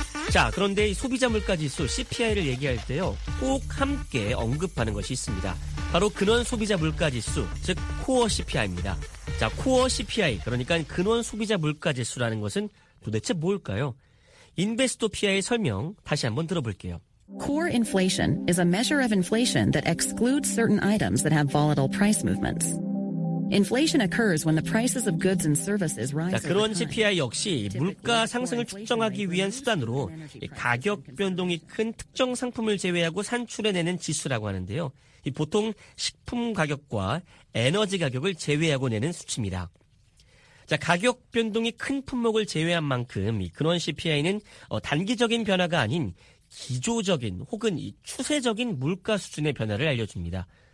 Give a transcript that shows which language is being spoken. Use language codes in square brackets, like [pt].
[ko] 자, 그런데 이 소비자 물가 지수 CPI를 얘기할 때요. 꼭 함께 언급하는 것이 있습니다. 바로 근원 소비자 물가 지수, 즉 코어 CPI입니다. 자, 코어 CPI, 그러니까 근원 소비자 물가 지수라는 것은 도대체 뭘까요? 인베스토피아의 설명 다시 한번 들어볼게요. [en] Core inflation is a measure of inflation that excludes certain items that have volatile price movements. Inflation occurs when the prices of goods and services rise. [ko] 자, 근원 CPI 역시 물가 상승을 측정하기 위한 수단으로 가격 변동이 큰 특정 상품을 제외하고 산출해내는 지수라고 하는데요. 보통 식품 가격과 에너지 가격을 제외하고 내는 수치입니다. 자, 가격 변동이 큰 품목을 제외한 만큼 이 근원 CPI는 단기적인 변화가 아닌 기조적인 혹은 이 추세적인 물가 수준의 변화를 알려줍니다.